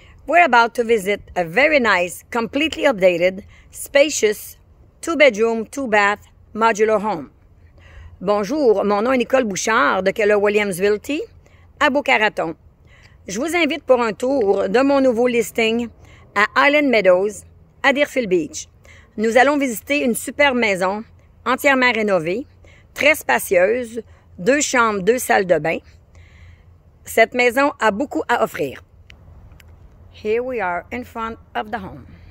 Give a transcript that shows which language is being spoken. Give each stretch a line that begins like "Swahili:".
English: We're about to visit a very nice, completely updated, spacious, two-bedroom, two-bath modular home.
French: Bonjour, mon nom est Nicole Bouchard de Keller Williams Realty à Boca Raton. Je vous invite pour un tour de mon nouveau listing à Island Meadows, à Deerfield Beach. Nous allons visiter une super maison entièrement rénovée, très spacieuse, deux chambres, deux salles de bain. Cette maison a beaucoup à offrir.
English: Here we are in front of the home.